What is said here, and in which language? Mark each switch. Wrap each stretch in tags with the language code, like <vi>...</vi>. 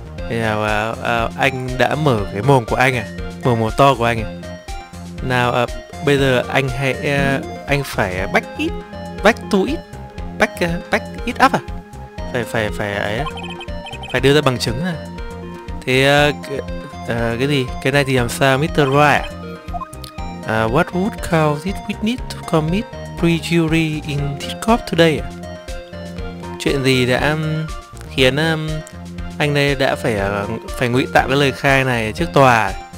<vi>Nào anh đã mở cái mồm của anh à? Mở mồm to của anh à? Nào bây giờ anh hãy anh phải</vi> <en>back it up</en> <vi>à? Phải ấy, phải đưa ra bằng chứng à? Thế cái gì? Cái này thì làm sao Mr. Roy?</vi> <en>What would cause it witness to commit perjury in this court today?</en> <vi>Chuyện gì đã khiến anh đây đã phải ngụy tạo cái lời khai này trước tòa?</vi>